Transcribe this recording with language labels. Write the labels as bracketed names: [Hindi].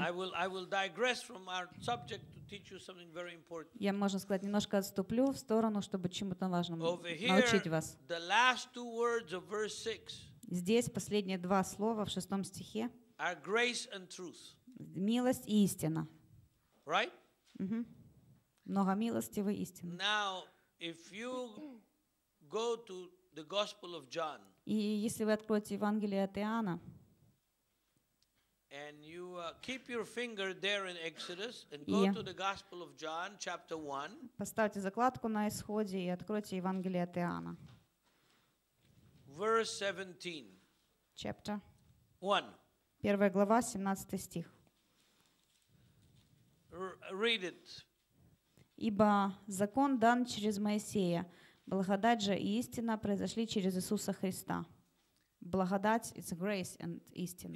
[English] I will digress from our subject to teach you something very important. [Russian] Я, можно сказать, немножко отступлю в сторону, чтобы чему-то важному [English] over here, [Russian] научить вас. [English] The last two words of verse 6. [Russian] Здесь последние два слова в шестом стихе. [English] Are grace and truth. [Russian] Милость и истина. [English] Right? [Russian] Угу. Много милости и истины. [English] Now, if you go to the Gospel of John. [Russian] И если вы откроете Евангелие от Иоанна. [English] And you keep your finger there in Exodus and go to the Gospel of John, chapter 1. [Russian] Поставьте закладку на исходе и откройте Евангелие от Иоанна. [English] Verse 17. Chapter 1. [Russian] Первая глава, 17 стих. [English] Read it. [Russian] Ибо закон дан через Моисея, благодать же и истина произошли через Иисуса Христа. Благодать, [English] it's grace and [Russian] истина.